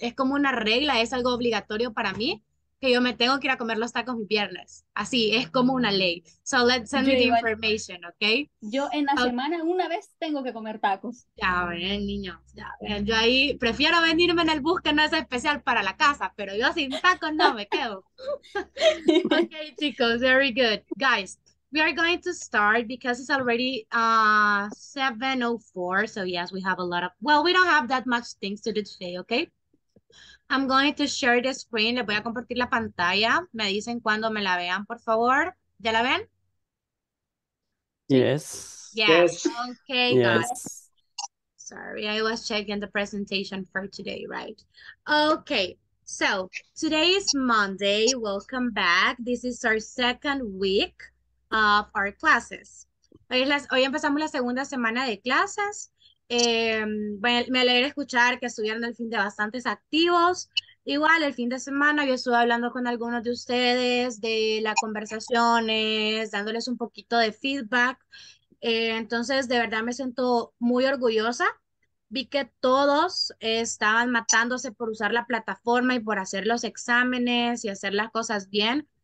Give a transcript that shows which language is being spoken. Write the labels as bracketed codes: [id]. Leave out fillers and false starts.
[es] Es como una regla, es algo obligatorio para mí que yo me tengo que ir a comer los tacos mi viernes. Así, es como una ley. [en] So let's send [es] yo me igual. [en] The information, okay? [es] Yo en la semana una vez tengo que comer tacos. Ya ven, niño. Yo ahí prefiero venirme en el bus que no es especial para la casa, pero yo sin tacos no me quedo. [en] Okay, chicos, very good. Guys, we are going to start because it's already 7:04. So yes, we have a lot of, well, we don't have that much things to do today, okay? I'm going to share the screen. [es] Les voy a compartir la pantalla. Me dicen cuando me la vean, por favor. ¿Ya la ven? [en] Yes. Yes. Okay, yes. Guys. Sorry, I was checking the presentation for today, right? Okay, so today is Monday. Welcome back. This is our second week of our classes. [es] Hoy empezamos la segunda semana de clases. Me alegra escuchar que estuvieron el fin de bastantes activos. Igual, el fin de semana yo estuve hablando con algunos de ustedes de las conversaciones, dándoles un poquito de feedback. Entonces, de verdad me siento muy orgullosa. Vi que todos estaban matándose por usar la plataforma y por hacer los exámenes y hacer las cosas bien.